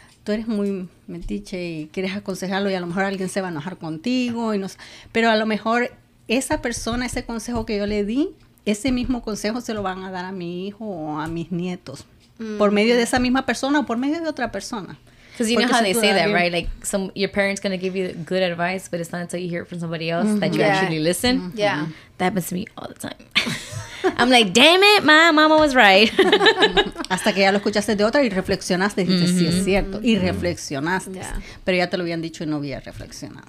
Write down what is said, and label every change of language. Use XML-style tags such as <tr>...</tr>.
<es>Tú eres muy metiche y quieres aconsejarlo y a lo mejor alguien se va a enojar contigo. Pero a lo mejor esa persona, ese consejo que yo le di, ese mismo consejo se lo van a dar a mi hijo o a mis nietos. Mm-hmm. Por medio de esa misma persona o por medio de otra persona.</es> <en>Because you know how they say that, right? Like, your parents going to give you good advice, but it's not until you hear it from somebody else mm-hmm. that you actually listen. Mm-hmm. Yeah. Mm-hmm. That happens to me all the time. I'm like, damn it, my mama was right.</en> <es>Hasta que ya lo escuchaste de otra y reflexionaste. Y dijiste, mm-hmm. sí, es cierto. Mm-hmm. Y reflexionaste. Yeah. Pero ya te lo habían dicho y no había reflexionado.</es>